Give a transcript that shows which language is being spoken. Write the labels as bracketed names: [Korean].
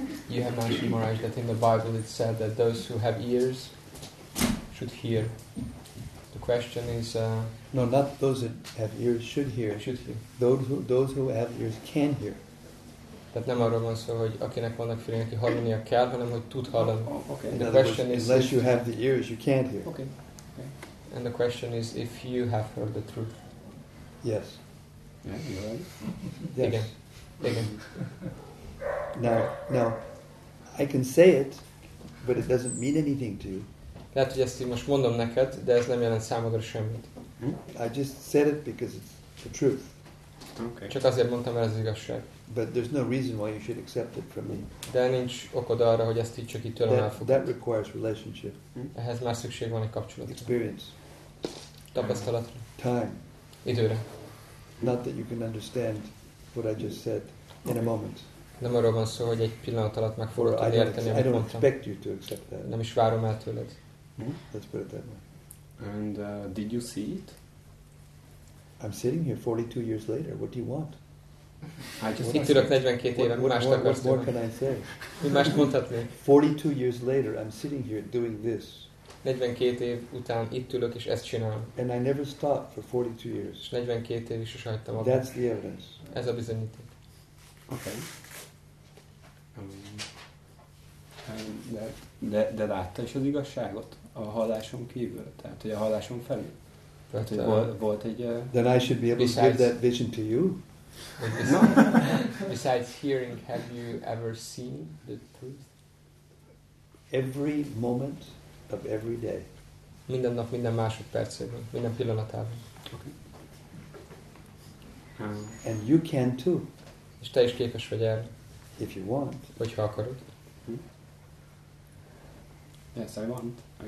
[English] You have mentioned, Maharaj, that in the Bible it said that those who have ears should hear. The question is... No, not those that have ears should hear. Should hear. Those who have ears can hear. [Hungarian] Tehát nem arról van szó, hogy akinek vannak fülei, aki hallania kell, hanem hogy tud hallani. [English] Okay. And the question is, unless you have the ears, you can't hear. Okay. And the question is, if you have heard the truth. Yes. Yeah, you're right. Yes. Again. Now, I can say it, but it doesn't mean anything to you. [Hungarian] Lehet, hogy ezt most mondom neked, de ez nem jelent számodra semmit. [English] I just said it because it's the truth. Okay. [Hungarian] Csak azért mondtam, mert ez az igazság. [English] But there's no reason why you should accept it from me. [Hungarian] De nincs okod arra, hogy ezt így csak így tőlem elfogad. [English] That requires relationship. [Hungarian] Ehhez már szükség van egy kapcsolatra. [English] Experience. [Hungarian] Tapasztalatra. [English] Time. [Hungarian] Időre. [English] Not that you can understand what I just said in a moment. [Hungarian] Nem arról van szó, hogy egy pillanat alatt meg fogod tudni érteni, amit mondtam. [English] I don't expect you to accept that. [Hungarian] Nem is várom el tőled. [English] Let's put it that way. And did you see it? I'm sitting here 42 years later. What do you want? [Hungarian] Itt ülök 42 éve, mást akarsz tenni? Mi mást mondhatnék? [English] 42 years later, I'm sitting here doing this. [Hungarian] 42 év után itt ülök és ezt csinálom. [English] And I never stopped for 42 years. [Hungarian] És 42 évig sose hagytam abba. [English] That's the evidence. [Hungarian] Ez a bizonyíték. [English] Okay. [Hungarian] De látta is az igazságot a halláson kívül? Tehát, hogy a halláson felül? [English] But, [Hungarian] volt egy, [English] then I should be able to give that vision to you. Besides hearing, have you ever seen the truth? Every moment of every day. [Hungarian] Minden nap, minden másodpercében, minden pillanatában. [English] Okay. And you can too. [Hungarian] És te is képes vagy erre. [English] If you want. [Hungarian] Hogyha akarod. [English] Yes, I want.